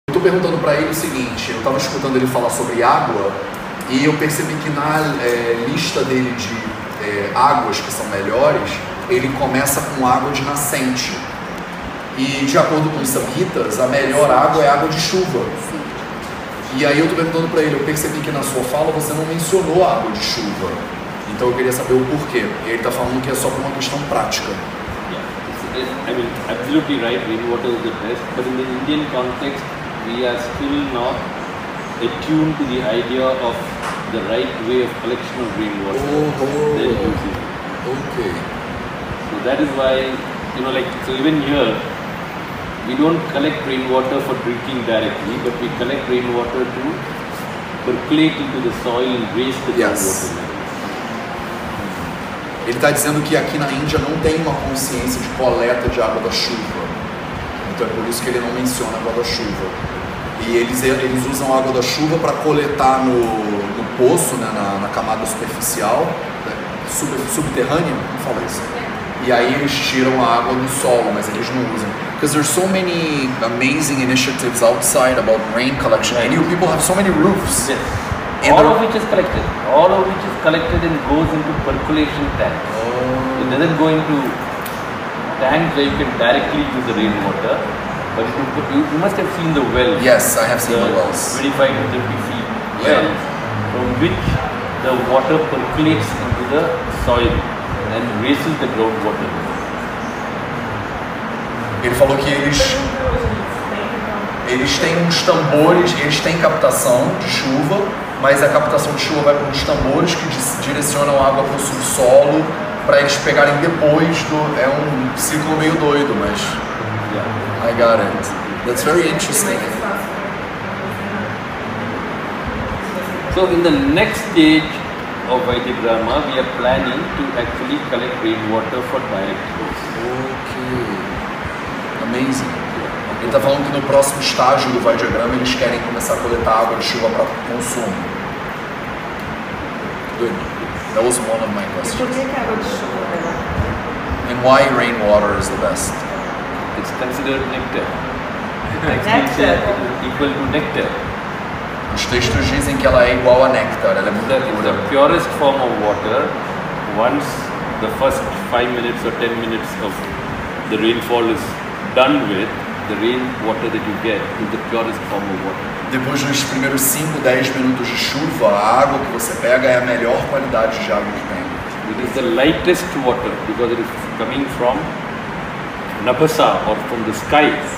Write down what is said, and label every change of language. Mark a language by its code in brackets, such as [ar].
[pt] tô perguntando pra ele o seguinte, eu tava escutando ele falar sobre água e eu percebi que na lista dele de águas que são melhores, ele começa com água de nascente. E de acordo com os samhitas, a melhor água é água de chuva. E aí eu tô perguntando pra ele, eu percebi que na sua fala você não mencionou água de chuva. Então eu queria saber o porquê. E ele tá falando que é só por uma questão prática. [en] I mean, absolutely right, rainwater is the best, but in the Indian context, we are still not attuned to the idea of the right way of collection of rainwater. Okay. So that is why, you know, like, so even here, we don't collect rainwater for drinking directly, but we collect rainwater to percolate into the soil and raise the rainwater. [pt] Ele está dizendo que aqui na Índia não tem uma consciência de coleta de água da chuva. Então é por isso que ele não menciona água da chuva. E eles usam a água da chuva para coletar no poço, né, na camada superficial, né, subterrânea, como fala isso? E aí eles tiram a água do solo, mas eles não usam. [en] Because there's so many amazing initiatives outside about rain collection. And you people have so many roofs. Yes. All of which is collected and goes into percolation tanks. Oh. It doesn't go into tanks where you can directly use the rainwater. But you must have seen the wells. Yes, I have seen the wells. 25-30 feet wells from which the water percolates into the soil and raises the groundwater. [pt] Ele falou que eles têm uns tambores, eles têm captação de chuva. Mas a captação de chuva vai para os tambores que direcionam a água para o subsolo para eles pegarem depois do... É um ciclo meio doido, mas... [en] Yeah. I got it. That's very interesting. So in the next stage of Vaidyagrama, we are planning to actually collect rainwater for direct use. Okay. Amazing. [pt] Ele está falando que no próximo estágio do Vaidyagrama eles querem começar a coletar água de chuva para consumo. [en] Good. That was one of my questions. [pt] Por que água de chuva é melhor? [en] And why rainwater is the best? It's considered nectar. Nectar? Equal to nectar. [pt] Os textos dizem que ela é igual a néctar. Ela é muito pura. [en] It's the purest form of water once the first 5 minutes or 10 minutes of the rainfall is done with. The rain water that you get is the purest form of water. [pt] Depois dos primeiros 5, 10 minutos de chuva, a água que você pega é a melhor qualidade de água que tem. [en] It is the lightest water because it is coming from Nabasa or from the sky.